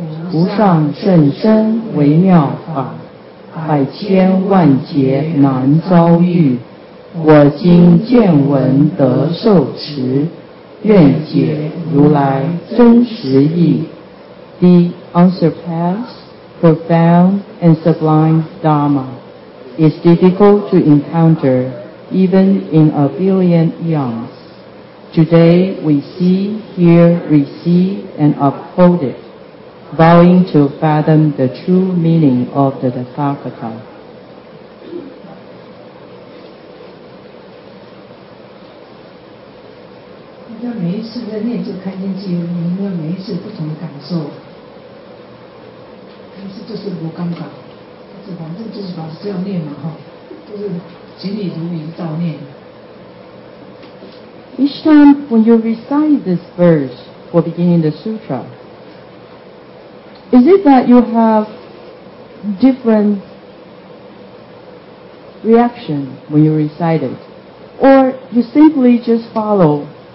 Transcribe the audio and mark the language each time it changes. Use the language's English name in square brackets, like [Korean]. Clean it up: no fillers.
[Chinese] 无上甚深微妙法，百千万劫难遭遇。我今见闻得受持，愿解如来真实义。 [English] The unsurpassed, profound, and sublime Dharma is difficult to encounter even in a billion eons. Today we see, hear, receive, and uphold it, vowing to fathom the true meaning of the Tathagata. [Chinese] 那每一次在念这个开经偈文，你有每一次不同的感受，但是就是无干扰，就是反正就是把这样念嘛哈，就是行礼如仪照念。 [English] Each time when you recite this verse for beginning the sutra, is it that you have different reaction when you recite it, or you simply just follow?